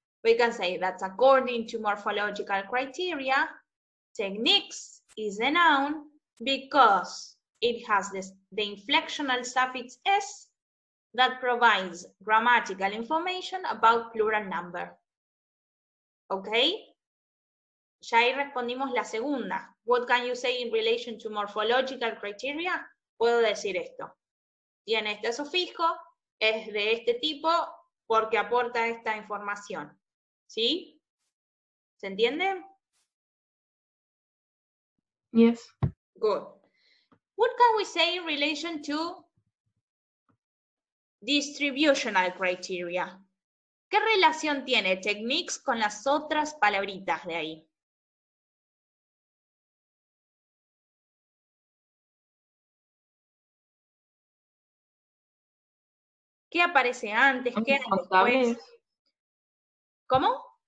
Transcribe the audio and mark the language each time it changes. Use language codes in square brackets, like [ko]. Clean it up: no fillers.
[en] We can say that according to morphological criteria, techniques is a noun because it has this, the inflectional suffix s that provides grammatical information about plural number. Okay? [es] Ya ahí respondimos la segunda. [en] What can you say in relation to morphological criteria? [es] Puedo decir esto. Tiene este sufijo, es de este tipo, porque aporta esta información. ¿Sí? ¿Se entiende? [en] Yes. Good. What can we say in relation to distributional criteria? [es] ¿Qué relación tiene techniques con las otras palabritas de ahí? ¿Qué aparece antes? ¿Qué hay después? ¿Cómo?